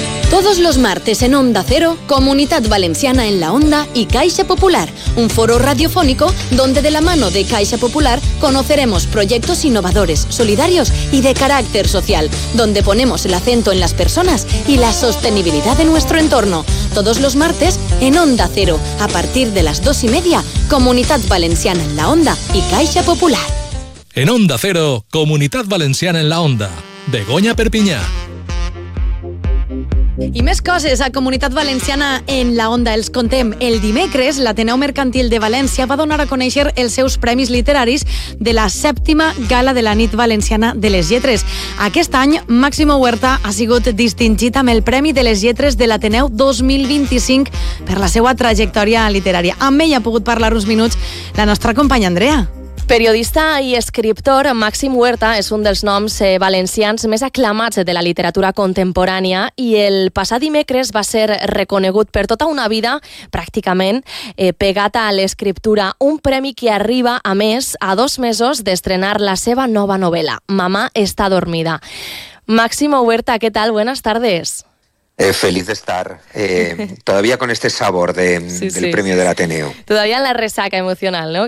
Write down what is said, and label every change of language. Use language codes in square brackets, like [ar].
[es] Todos los martes en Onda Cero, Comunidad Valenciana en la Onda y Caixa Popular, un foro radiofónico donde de la mano de Caixa Popular conoceremos proyectos innovadores, solidarios y de carácter social, donde ponemos el acento en las personas y la sostenibilidad de nuestro entorno. Todos los martes en Onda Cero, a partir de las 2:30, Comunidad Valenciana en la Onda y Caixa Popular. En Onda Cero, Comunidad Valenciana en la Onda, Begoña Perpiñá. [ca] I més coses a Comunitat Valenciana en la Onda. Els contem. El dimecres, l'Ateneu Mercantil de València va donar a conèixer els seus premis literaris de la 7ª Gala de la Nit Valenciana de les Lletres. Aquest any, Máximo Huerta ha sigut distingit amb el Premi de les Lletres de l'Ateneu 2025 per la seva trajectòria literària. Amb ell ha pogut parlar uns minuts la nostra companya Andrea. Periodista i escriptor Màxim Huerta és un dels noms valencians més aclamats de la literatura contemporània i el passat dimecres va ser reconegut per tota una vida, pràcticament, pegat a l'escriptura, un premi que arriba, a més, a 2 mesos d'estrenar la seva nova novel·la, Mamá está dormida. Màxim Huerta, què tal? [es] Buenas tardes. Feliz de estar, todavía con este sabor de, sí, del sí, premio del Ateneo. Todavía en la resaca emocional, ¿no?